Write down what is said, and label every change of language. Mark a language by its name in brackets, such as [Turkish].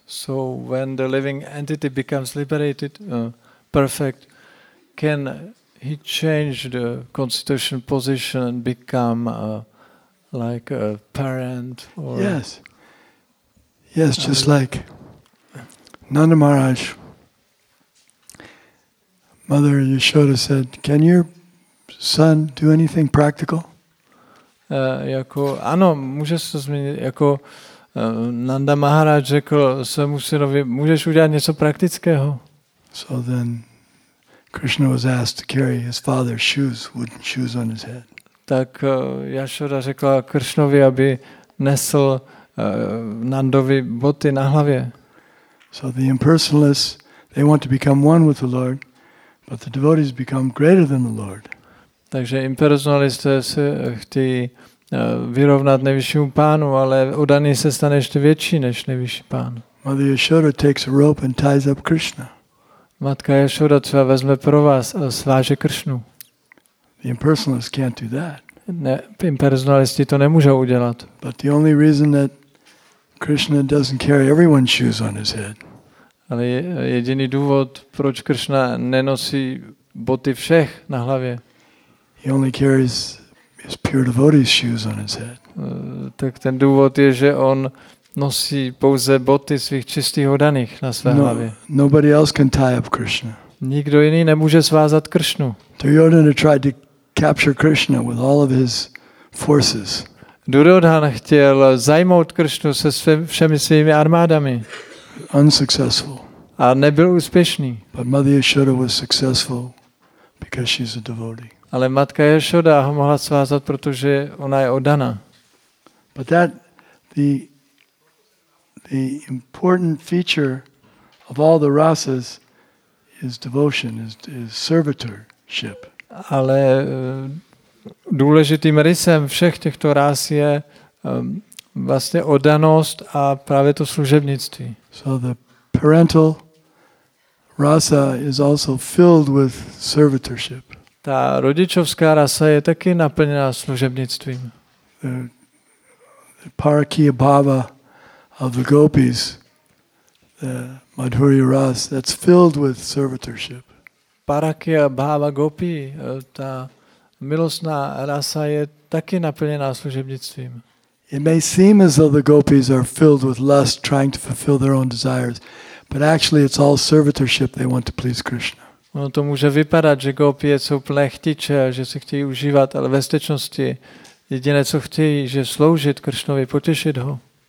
[English] So when the living entity becomes liberated, perfect, can he change the constitutional position and become like a parent? Or yes. Yes, just like Nanda Maharaj. Mother Yashoda said, can your son do anything practical? [Czech] Jako ano, můžeš to změnit, jako Nanda Maharaj řekl svému synovi, můžeš udělat něco praktického. [English] So then Krishna was asked to carry his father's shoes, wooden shoes on his head. [Czech] Tak Yashoda řekla Krishnovi, aby nesl Nandovi boty na hlavě. [English] So the impersonalists, they want to become one with the Lord, but the devotees become greater than the Lord. [Czech] Takže impersonalisté se chtějí vyrovnat nejvyššímu pánu, ale udaný se stane ještě větší než nejvyšší pán. [English] Mother Yashoda takes a rope and ties up Krishna. [Czech] Matka Yashoda třeba vezme pro vás a sváže Krishnu. [English] The impersonalist can't do that. [Czech] Ne, impersonalisti to nemůžou udělat. [English] But the only reason that Krishna doesn't carry everyone's shoes on his head. [Czech] Ale jediný důvod, proč Krishna nenosí boty všech na hlavě. [English] He only carries his pure devotee's shoes on his head. [Czech] Tak ten důvod je, že on nosí pouze boty svých čistých oddaných na své hlavě. [English] Nobody else can tie up Krishna. [Czech] Nikdo jiný nemůže svázat Krishnu. [English] Duryodhana tried to capture Krishna with all of his forces. [Czech] Duryodhana chtěl zajmout Krishnu se všemi svými armádami. [English] Unsuccessful. [Czech] A nebyl úspěšný. [English] But Mother Yashoda was successful because she's a devotee. [Czech] Ale matka Yashoda ho mohla svázat, protože ona je oddaná. [English] But that the important feature of all the rasas is devotion, is servitorship. [Czech] Ale důležitým rysem všech těchto ras je vlastně oddanost a právě to služebnictví. [English] So the parental rasa is also filled with servitorship. [Czech] Ta rodičovská rasa je taky naplněna služebnictvím. [English] The Parakiya Bhava of the gopis, the Madhurya Rasa, that's filled with servitorship. [Czech] Parakiya Bhava gopi, ta milostná rasa je taky naplněna služebnictvím. [English] It may seem as though the gopis are filled with lust, trying to fulfill their own desires, but actually it's all servitorship, they want to please Krishna. [Czech] Ono to může vypadat, že gopie jsou plné chtiče, že se chtějí užívat, ale ve skutečnosti jediné, co chtějí, že sloužit Kršnovi, potěšit ho.